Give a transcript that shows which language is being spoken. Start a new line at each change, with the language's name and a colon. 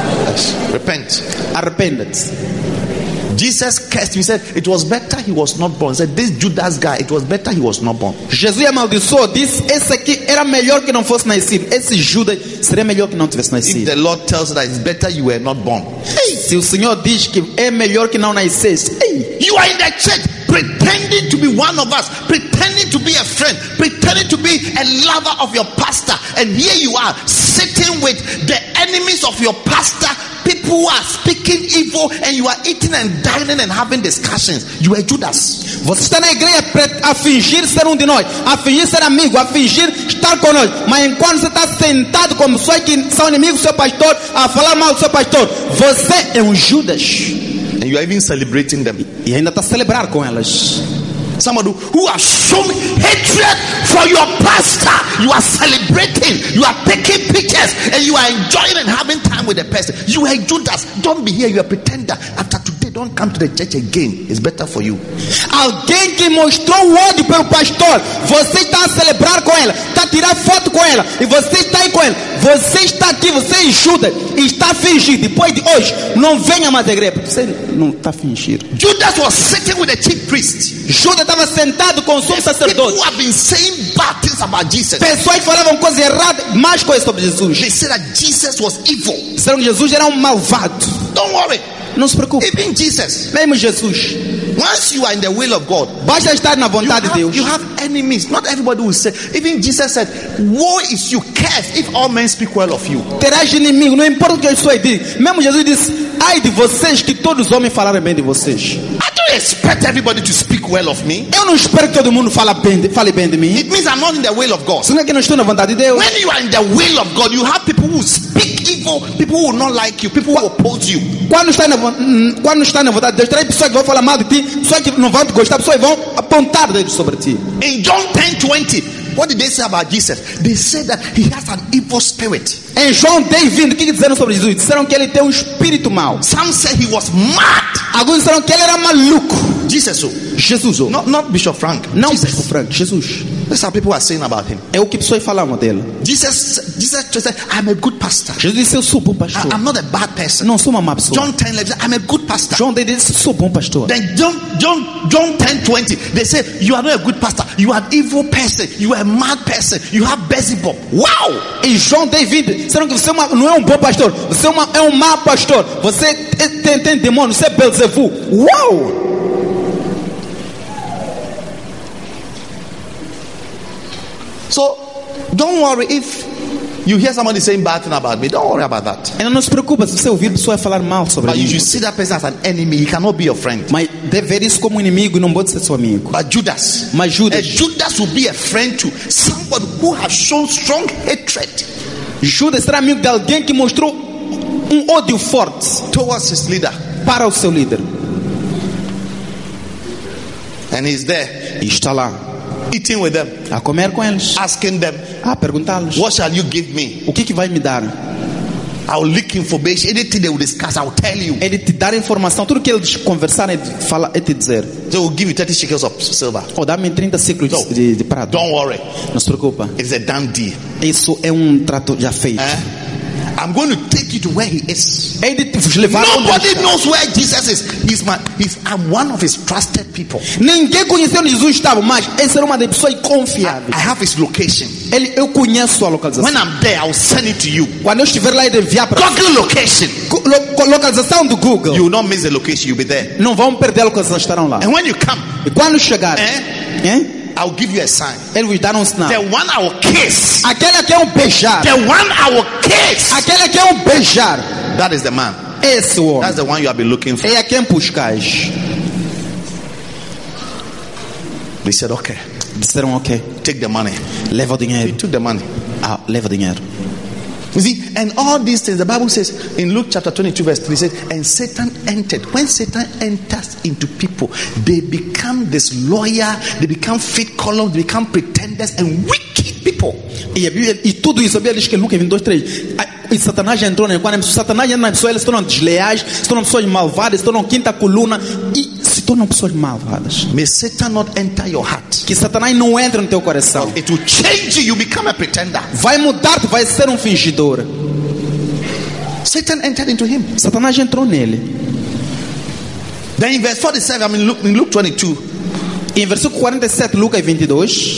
English: Yes. Repent.
Portuguese: Arrependa-te.
English: Jesus cursed him. He said, it was better he was not born. He said, this Judas guy, it was better he was not born.
Portuguese: Jesus amaldiçoou, disse, esse aqui era melhor que não fosse nascido. Esse Judas seria melhor que não tivesse nascido.
English: If the Lord tells that it's better you were not born. Hey.
Portuguese: Se o Senhor diz que é melhor que não nascesse.
English: Hey. You are in the church pretending to be one of us, pretending to be a friend, pretending to be a lover of your pastor. And here you are, sitting with the enemies of your pastor, people who are speaking evil and you are eating and dining and having discussions, you are Judas.
Portuguese: Você está na igreja a fingir ser um de nós, a fingir ser amigo, a fingir estar conosco. Mas enquanto você está sentado como pessoas que são inimigos do seu pastor, a falar mal do seu pastor, você é Judas.
English: And you are even celebrating them.
Portuguese: E ainda está a celebrar com elas.
English: Somebody who has shown hatred for your pastor, you are celebrating, you are taking pictures, and you are enjoying and having time with the person. You are Judas. Don't be here. You are pretender. After today, don't come to the church again. It's better for you.
Portuguese: Alguém que mostrou o ódio pelo pastor, você está a celebrar com ela, está a tirar foto com ela, e você está aí com ela. Você está aqui, você é Judas, e está a fingir. Depois de hoje, não venha mais à igreja. Você não está a fingir.
English: Judas was sitting with the chief priest.
Portuguese: Judas estava sentado com o sumo sacerdote.
English: People have been saying bad things about Jesus.
Portuguese: Pessoas falavam coisas erradas, más coisas sobre Jesus.
English: They said that Jesus was evil.
Portuguese: Disseram que Jesus era malvado.
English: Don't worry.
Portuguese: Não se preocupe.
English: Even Jesus.
Portuguese: Mesmo Jesus.
English: Once you are in the will of God,
Portuguese: basta estar na vontade de Deus.
English: You have enemies. Not everybody will say. Even Jesus said, "Woe is you, curse, if all men speak well of you."
Portuguese: Terás inimigo. Não importa o que eu sou. Mesmo Jesus disse, ai de vocês que todos os homens falarem bem de vocês.
English: Expect everybody to speak well of me.
Portuguese: Eu não espero que todo mundo fale bem de mim.
English: It means I'm not in the will of God.
Portuguese: Senão que não estou na vontade de Deus.
English: When you are in the will of God, you have people who speak evil, people who will not like you, people who oppose you.
Portuguese: Quando está na vontade de Deus, terá pessoas que vão falar mal de ti, pessoas que não vão te gostar, pessoas que vão apontar dedos sobre ti.
English: In John 10:20, what did they say about Jesus? They said that he has an evil spirit.
Portuguese: Em João 10:20, o que disseram sobre Jesus? Disseram que ele tem espírito mau.
English: Some said he was mad.
Portuguese: Alguns disseram que ele era maluco. Jesus, oh. Jesus, oh.
English: Not Bishop Frank.
Portuguese: Não Bishop Frank. Jesus.
English: That's what people are saying about him.
Portuguese: É o que pessoas falam dele.
English: Jesus said, "I'm a good pastor."
Portuguese: Jesus disse, eu sou bom pastor.
English: I'm not a bad person.
Portuguese: Não sou uma má pessoa.
English: John 10:11, I'm a good pastor.
Portuguese: João 10 disse, sou bom pastor.
English: Then John 10:20, they say, "You are not a good pastor. You are an evil person. You are a mad person. You have Beelzebub." Wow!
Portuguese: E João 10:20, disseram que você não é um bom pastor. Você é um mau pastor. Você tem demônio. Você é Beelzebub. Wow!
English: So, don't worry if you hear somebody saying bad thing about me. Don't worry about that. And
Portuguese: não se preocupe se você ouvir pessoas falar mal sobre mim.
English: But you see that person as an enemy, he cannot be your friend.
Portuguese: Mas deve ver isso como inimigo e não pode ser seu amigo.
English: But Judas.
Portuguese: Mas Judas.
English: Judas will be a friend to somebody who has shown strong hatred.
Portuguese: Judas será amigo de alguém que mostrou ódio forte
English: towards his leader.
Portuguese: Para o seu líder.
English: And he's there.
Portuguese: E está lá.
English: Eating with them,
Portuguese: a comer com eles,
English: asking them,
Portuguese: a perguntá-los,
English: what shall you give me?
Portuguese: O que vai me dar?
English: I'll leak information. Anything they will discuss, I'll tell you.
Portuguese: Ele te dar informação, tudo que eles conversarem, ele fala, ele te dizer.
English: They will give you 30 shekels of silver.
Portuguese: Ou dá-me 30 ciclos de prata.
English: Don't worry,
Portuguese: não se preocupa.
English: It's a done deal.
Portuguese: Isso é trato já feito.
English: I'm going to take you to where he is. Nobody knows where Jesus is. I'm one of his trusted people.
Portuguese: Ninguém conhece onde Jesus estava, mas esse era uma das pessoas confiáveis.
English: I have his location.
Portuguese: Eu conheço sua localização.
English: When I'm there, I'll send it to you.
Portuguese: Quando eu estiver lá, ele envia para
English: Google location.
Portuguese: Localização do Google.
English: You will not miss the location. You'll be there.
Portuguese: Não vão perder a localização. Estarão lá.
English: And when you come,
Portuguese: e quando chegar,
English: I'll give you a sign.
Portuguese: Ele vai dar sinal.
English: The one I will kiss.
Portuguese: Aquele que eu beijar.
English: The one I will kiss.
Portuguese: Aquele que eu beijar.
English: That is the man.
Portuguese: Esse homem.
English: That's the one you have been looking for.
Portuguese: É quem buscais.
English: They said okay.
Portuguese: Disseram ok.
English: Take the money.
Portuguese: Leva o dinheiro.
English: He took the money.
Portuguese: Ah, leva o dinheiro.
English: You see, and all these things, the Bible says in Luke chapter 22 verse 3, it says, and Satan entered. When Satan enters into people, they become disloyal, they become fake columns, they become pretenders and wicked people.
Portuguese: E tudo isso, a Bíblia diz que Luke 22:3, e Satanás entrou, quando Satanás entra na pessoa, eles se tornam desleais, se tornam pessoas malvadas, se tornam quinta coluna e se tornam pessoas malvadas.
English: May Satan not enter your heart.
Portuguese: Que Satanás não entre no teu coração.
English: But it will change you, become a pretender.
Portuguese: Vai mudar, vai ser fingidor.
English: Satan entered into him.
Portuguese: Satanás entrou nele.
English: Then in verse 47, I mean Luke 22.
Portuguese: Em versículo 47, Lucas 22.